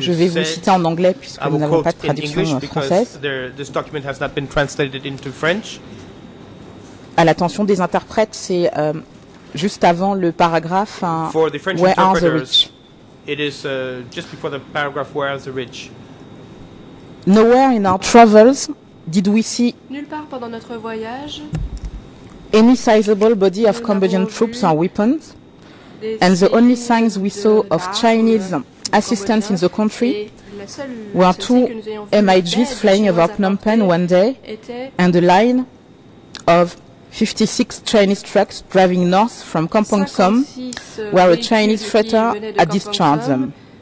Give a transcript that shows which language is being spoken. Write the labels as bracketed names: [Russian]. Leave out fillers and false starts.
[French] je vais vous citer en anglais puisque nous n'avons pas de traduction française. [English] This document has not been translated into French. [French] À l'attention des interprètes, c'est juste avant le paragraphe [English] For the French Where are the rich? It is just before the paragraph Where are the rich? Nowhere in our travels did we see [French] nulle part pendant notre voyage [English] any sizable body of Cambodian troops or weapons, and the only signs we saw of Chinese assistance in the country were two MIGs flying over Phnom Penh one day and a line of 56 Chinese trucks driving north from Kampong Som, where a Chinese freighter had discharged them.